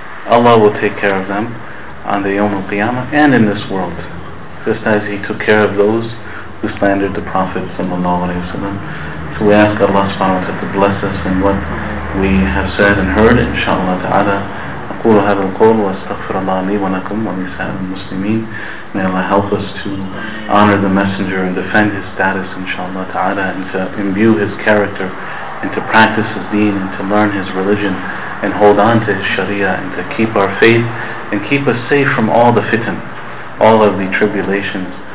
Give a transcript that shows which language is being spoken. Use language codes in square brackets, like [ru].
[en] Allah will take care of them on the Yawm al-Qiyamah and in this world, just as He took care of those who slandered the Prophet sallallahu alayhi wa sallam. So we ask Allah subhanahu wa ta'ala to bless us in what we have said and heard, inshaAllah ta'ala. [ar] أقول هذا القول وأستغفر الله لي ولكم ولنساء المسلمين. [en] May Allah help us to honor the Messenger and defend his status, inshaAllah ta'ala, and to imbue his character and to practice his deen and to learn his religion and hold on to his sharia and to keep our faith and keep us safe from all the fitan, all of the tribulations.